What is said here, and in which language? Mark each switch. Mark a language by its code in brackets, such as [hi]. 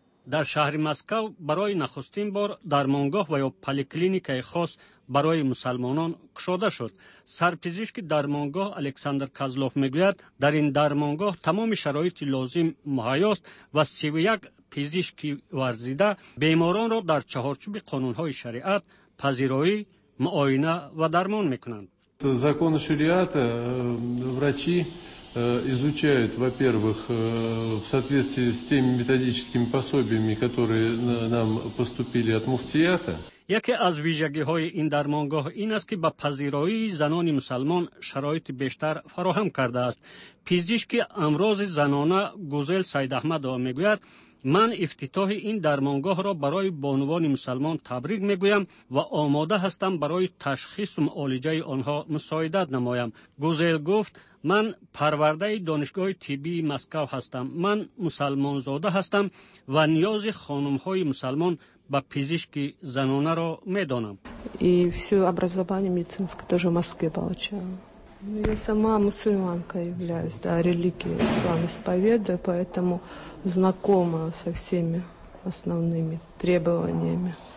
[fa] در شهر مسکو برای نخستین بار درمانگاه و یا پلیکلینیکای خاص برای مسلمانان کشاده شد. سرپزشک درمانگاه الکساندر کازلوف میگوید در این درمانگاه تمام شرایط لازم مهیا است و 31 پزشک ورزیده بیماران را در چهارچوب قانونهای شریعت پذیرایی، معاینه و درمان میکنند. [ru] закон شریعت врачи изучают, во-первых, в соответствии с теми методическими пособиями, которые нам поступили от муфтията. [tg] Яке аз вижагиҳои ин дармонгоҳ ин аст ки ба пазироии занони мусалмон шароити бештар фароҳам кардааст. Пиздишки амрози занона Гузел Сайдаҳмадова мегӯяд, [fa] من افتتاح این درمانگاه را برای بانوان مسلمان تبریک میگویم و آماده هستم برای تشخیص و معالجه آنها مساعدت نمایم. گوزل گفت: من پرورده دانشگاه طبی مسکو هستم. من مسلمان زاده هستم و نیاز خانم های مسلمان با پزشکی زنانه را میدانم. [ru] و все образование медицинское тоже в Москве получаю. Я сама мусульманка являюсь, да, религия ислам исповедую, поэтому знакома со всеми основными требованиями.